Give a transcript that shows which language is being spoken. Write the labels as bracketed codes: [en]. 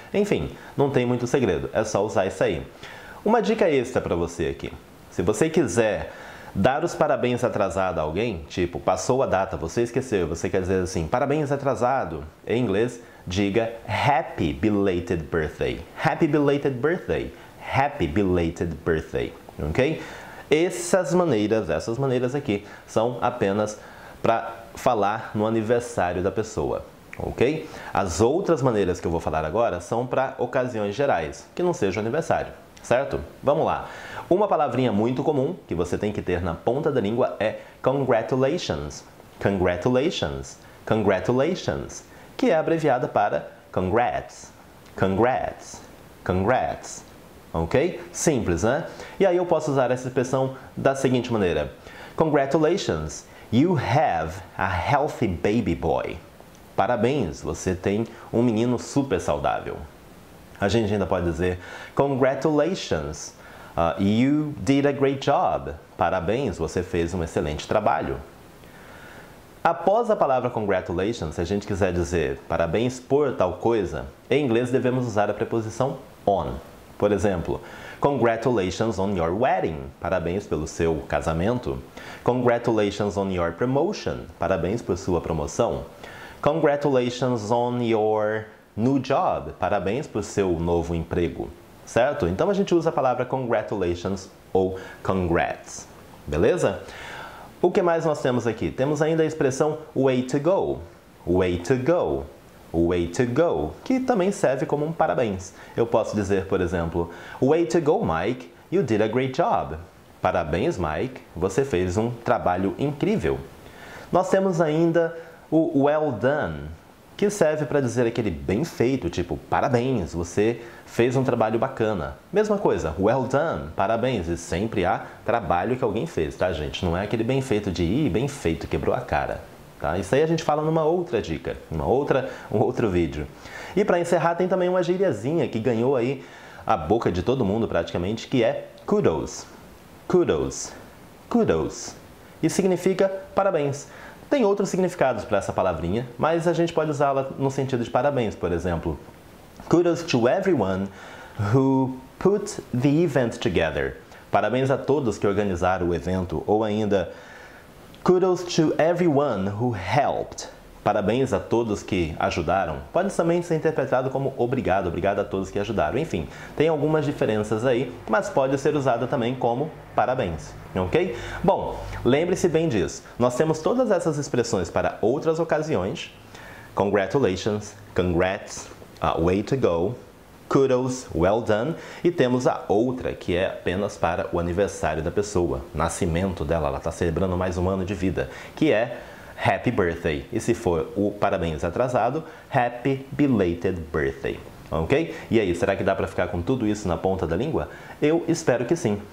[pt] Enfim, não tem muito segredo. É só usar isso aí. Uma dica extra pra você aqui. Se você quiser dar os parabéns atrasado a alguém, tipo, passou a data, você esqueceu, você quer dizer assim, parabéns atrasado, em inglês, diga [en] Happy Belated Birthday. Happy Belated Birthday. Happy Belated Birthday. Ok? [pt] Essas maneiras aqui, são apenas para falar no aniversário da pessoa, ok? As outras maneiras que eu vou falar agora são para ocasiões gerais, que não seja o aniversário, certo? Vamos lá! Uma palavrinha muito comum que você tem que ter na ponta da língua é congratulations. [en] Congratulations. Congratulations. [pt] Que é abreviada para congrats. [en] Congrats. Congrats. Ok? [pt] Simples, né? E aí eu posso usar essa expressão da seguinte maneira. [en] Congratulations, you have a healthy baby boy. [pt] Parabéns, você tem um menino super saudável. A gente ainda pode dizer, [en] congratulations, you did a great job. [pt] Parabéns, você fez um excelente trabalho. Após a palavra congratulations, se a gente quiser dizer parabéns por tal coisa, em inglês devemos usar a preposição on. Por exemplo, [en] congratulations on your wedding. [pt] Parabéns pelo seu casamento. [en] Congratulations on your promotion. [pt] Parabéns por sua promoção. [en] Congratulations on your new job. [pt] Parabéns por seu novo emprego. Certo? Então a gente usa a palavra congratulations ou congrats. Beleza? O que mais nós temos aqui? Temos ainda a expressão way to go. [en] Way to go. Way to go, [pt] que também serve como um parabéns. Eu posso dizer, por exemplo, [en] way to go, Mike, you did a great job. [pt] Parabéns, Mike, você fez um trabalho incrível. Nós temos ainda o well done, que serve para dizer aquele bem feito, tipo, parabéns, você fez um trabalho bacana. Mesma coisa, well done, parabéns, e sempre há trabalho que alguém fez, tá, gente? Não é aquele bem feito de, ih, bem feito, quebrou a cara. Tá? Isso aí a gente fala numa outra dica, um outro vídeo. E para encerrar, tem também uma gíriazinha que ganhou aí a boca de todo mundo praticamente, que é kudos. Kudos. Kudos. E significa parabéns. Tem outros significados para essa palavrinha, mas a gente pode usá-la no sentido de parabéns, por exemplo. [en] Kudos to everyone who put the event together. [pt] Parabéns a todos que organizaram o evento, ou ainda [en] kudos to everyone who helped. [pt] Parabéns a todos que ajudaram. Pode também ser interpretado como obrigado, obrigado a todos que ajudaram. Enfim, tem algumas diferenças aí, mas pode ser usada também como parabéns, ok? Bom, lembre-se bem disso. Nós temos todas essas expressões para outras ocasiões. [en] Congratulations, congrats, way to go, kudos, well done. [pt] E temos a outra, que é apenas para o aniversário da pessoa, nascimento dela, ela está celebrando mais um ano de vida, que é Happy Birthday. E se for o parabéns atrasado, [en] Happy Belated Birthday. [pt] Ok? E aí, será que dá para ficar com tudo isso na ponta da língua? Eu espero que sim.